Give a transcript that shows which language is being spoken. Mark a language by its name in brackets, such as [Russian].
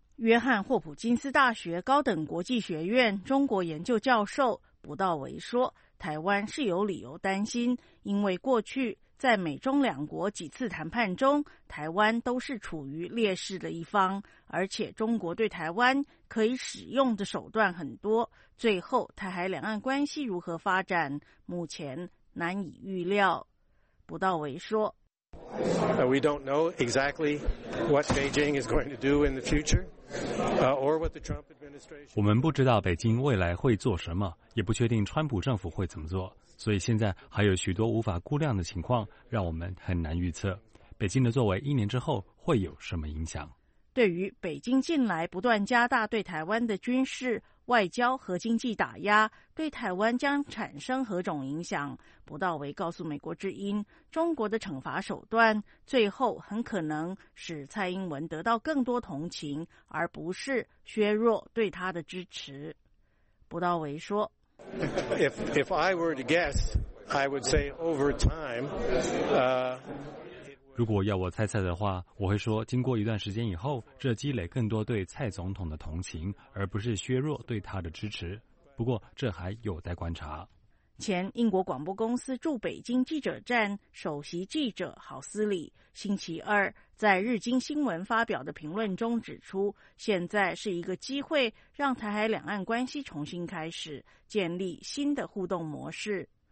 [Chinese] 约翰霍普金斯大学高等国际学院中国研究教授卜道维说，台湾是有理由担心，因为过去在美中两国几次谈判中，台湾都是处于劣势的一方，而且中国对台湾可以使用的手段很多，最后台海两岸关系如何发展目前难以预料。卜道维说， [English] We don't know exactly what Beijing is going to do in the future. [Chinese] 我们不知道北京未来会做什么，也不确定川普政府会怎么做，所以现在还有许多无法估量的情况，让我们很难预测北京的作为一年之后会有什么影响。对于北京近来不断加大对台湾的军事、外交和经济打压，对台湾将产生何种影响，卜道维告诉美国之音，中国的惩罚手段最后很可能使蔡英文得到更多同情，而不是削弱对他的支持。卜道维说， [English] If I were to guess, I would say over time, [Chinese] 如果要我猜测的话，我会说经过一段时间以后，这积累更多对蔡总统的同情，而不是削弱对他的支持。不过这还有待观察。前英国广播公司驻北京记者站首席记者郝思礼星期二在日经新闻发表的评论中指出，现在是一个机会让台海两岸关系重新开始，建立新的互动模式。